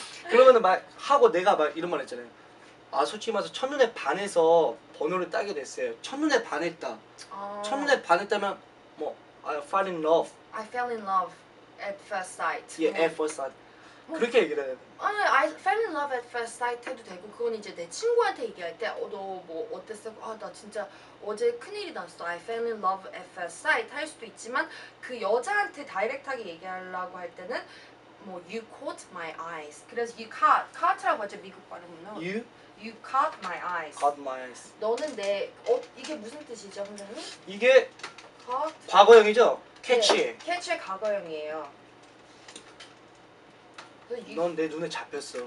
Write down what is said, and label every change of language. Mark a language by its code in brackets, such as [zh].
[ko] 그러면 말 하고 내가 막 이런 말 했잖아요. 아 솔직히 말해서 첫눈에 반해서 번호를 따게 됐어요. 첫눈에 반했다. 첫눈에 반했다면 뭐 [en] I fell in love. I fell in love at first sight. Yeah, [ko] 뭐. [en] at first sight. [ko] 그렇게 얘기를 해야 돼. [en] I fell in love at first sight [ko] 해도 되고 그건 이제 내 친구한테 얘기할 때 너 뭐 어땠어? 아 나 진짜 어제 큰일이 났어. I fell in love at first sight 할 수도 있지만 그 여자한테 다이렉트하게 얘기하려고 할 때는 뭐 [en] you caught my eyes. [ko] 그래서 [en] you caught, caught [ko] 라고 하죠 미국 발음으로. [en] You? You caught my eyes. Caught my eyes. [ko] 너는 내 어, 이게 무슨 뜻이죠 선생님? 이게 caught? 과거형이죠? catch. 네, catch의 과거형이에요. 넌 내 눈에 잡혔어.